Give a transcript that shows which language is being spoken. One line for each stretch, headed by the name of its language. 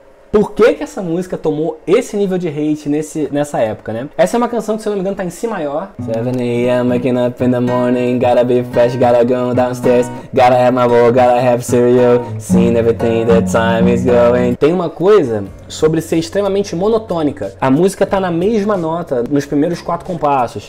Portuguese: Por que que essa música tomou esse nível de hate nessa época, né? Essa é uma canção que, se eu não me engano, tá em Si maior.
English: 7 a.m. waking up in the morning, gotta be fresh, gotta go downstairs, gotta have my bowl, gotta have cereal, seeing everything, the time is going.
Portuguese: Tem uma coisa sobre ser extremamente monotônica. A música tá na mesma nota nos primeiros 4 compassos.